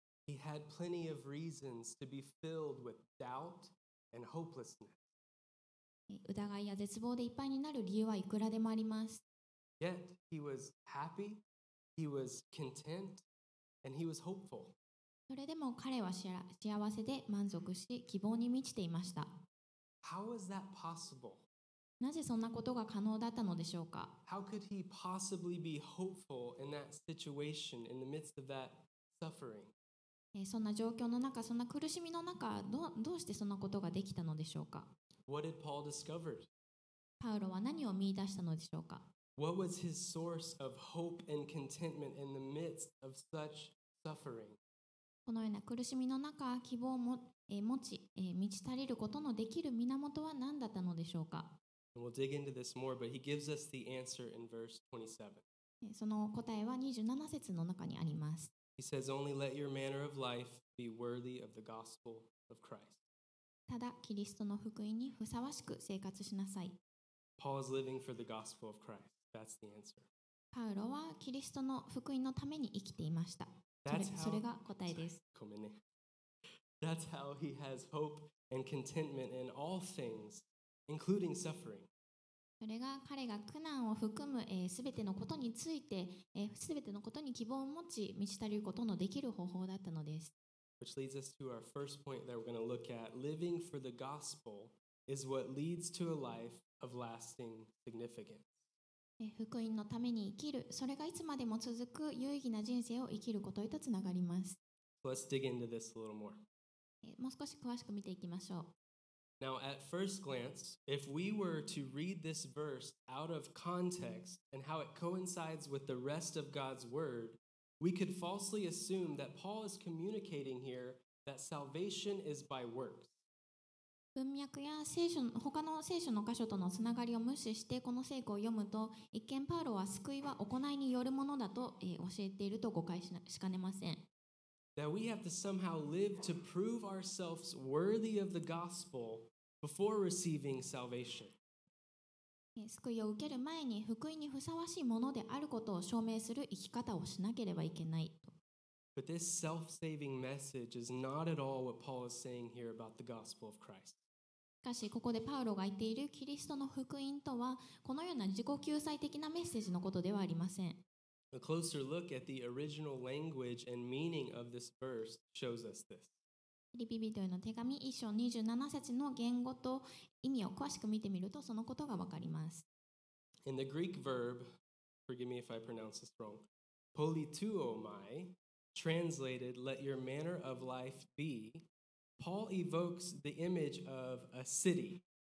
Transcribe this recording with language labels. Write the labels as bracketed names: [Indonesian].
[English] He had plenty of reasons to be filled with doubt and hopelessness. [Japanese] 疑いや絶望でいっぱいになる理由はいくらでもあります。 [English] Yet he was happy, he was content, and he was hopeful. [Japanese] それでも彼は幸せで満足し、希望に満ちていました。 [English] How was that possible? [Japanese] なぜそんなことが可能だったのでしょうか? [English] How could he possibly be hopeful in that situation, in the midst of that suffering? [Japanese] そんな状況の中、そんな苦しみの中、どうしてそんなことができたのでしょうか? [English] What did Paul discover? [Japanese] パウロは何を見出したのでしょうか? [English] What was his source of hope and contentment in the midst of such suffering? [Japanese] このような苦しみの中、希望を持ち、満ち足りることのできる源は何だったのでしょうか。 [English] We'll dig into this more, but he gives us the answer in verse 27. [Japanese] その答えは27節の中にあります。 [English] He says, only let your manner of life be worthy of the gospel of Christ. [Japanese] ただ、キリストの福音にふさわしく生活しなさい。 [English] Paul is living for the gospel of Christ. That's the answer. [Japanese] パウロはキリストの福音のために生きていました。それが答えです。ごめんね。 [English] That's how he has hope and contentment in all things, including suffering. [Japanese] それが彼が苦難を含む、全てのことについて、全てのことに希望を持ち、満ち足りることのできる方法だったのです。 [English] Which leads us to our first point that we're going to look at. Living for the gospel is what leads to a life of lasting significance. [Japanese] 福音のために生きる、それがいつまでも続く有意義な人生を生きることへとつながります。 [English] Let's dig into this a little more. [Japanese] もう少し詳しく見ていきましょう。 [English] Now, at first glance, if we were to read this verse out of context and how it coincides with the rest of God's word, we could falsely assume that Paul is communicating here that salvation is by works. [Japanese] 文脈や聖書の他の聖書の箇所とのつながりを無視してこの聖句を読むと一見パウロは救いは行いによるものだと教えていると誤解しかねません。 [English] That we have to somehow live to prove ourselves worthy of the gospel before receiving salvation. [Japanese] 救いを受ける前に福音にふさわしいものであることを証明する生き方をしなければいけないと。 [English] But this self-saving message is not at all what Paul is saying here about the gospel of Christ. [Japanese] しかしここでパウロが言っているキリストの福音とはこのような自己救済的なメッセージのことではありません。 [English] A closer look at the original language and meaning of this verse shows us this. [Japanese] ピリピ人への手紙1章27節の言語と意味を詳しく見てみるとそのことがわかります。 [English] In the Greek verb, forgive me if I pronounce this wrong, polituomai, translated let your manner of life be,Paul evokes the image of a city.